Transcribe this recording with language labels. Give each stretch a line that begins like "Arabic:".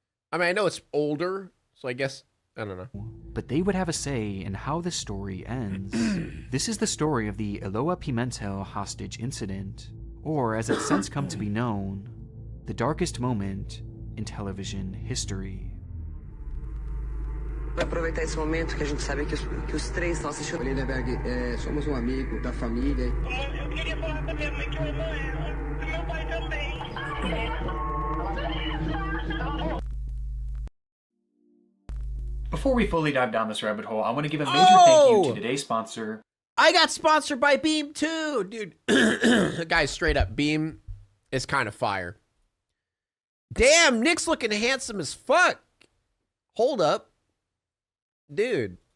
English: I mean, I know it's older, so I guess, I don't know. But they would have a say in how the story ends. This is the story of the Eloa Pimentel hostage incident, or as it's since come to be known, the darkest moment in television history.
Portuguese: Aproveitar esse momento que a gente sabe que os três estão assistindo. Lindenberg, somos um amigo da família. Eu queria falar pra minha mãe que eu amo ela, e meu pai também.
English: Before we fully dive down this rabbit hole, I want to give a major thank you to today's sponsor. I got sponsored by Beam too, dude. Guys, straight up, Beam is kind of fire. Damn, Nick's looking handsome as fuck. Hold up. Dude.